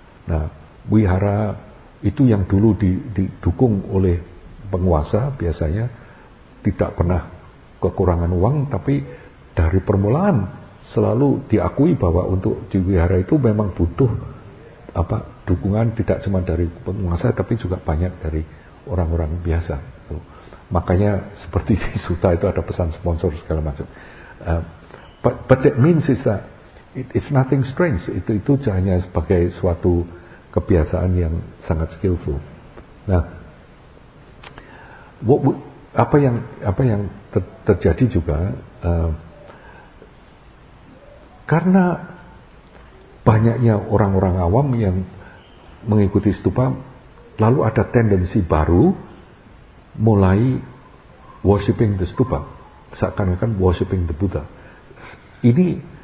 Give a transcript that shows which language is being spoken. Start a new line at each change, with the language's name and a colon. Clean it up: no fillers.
Indonesian: Nah, wihara itu yang dulu didukung oleh penguasa biasanya tidak pernah kekurangan uang tapi dari permulaan selalu diakui bahwa untuk di wihara itu memang butuh apa dukungan tidak cuma dari penguasa tapi juga banyak dari orang-orang biasa. So, makanya seperti di Suta itu ada pesan sponsor segala macam.
English: But that means is that it's nothing strange.
Indonesian: Itu hanya sebagai suatu kebiasaan yang sangat skillful. Nah, apa yang terjadi juga karena banyaknya orang-orang awam yang mengikuti stupa, lalu ada tendensi baru mulai
English: worshipping the stupa,
Indonesian: seakan-akan
English: worshipping the Buddha.
Indonesian: Ini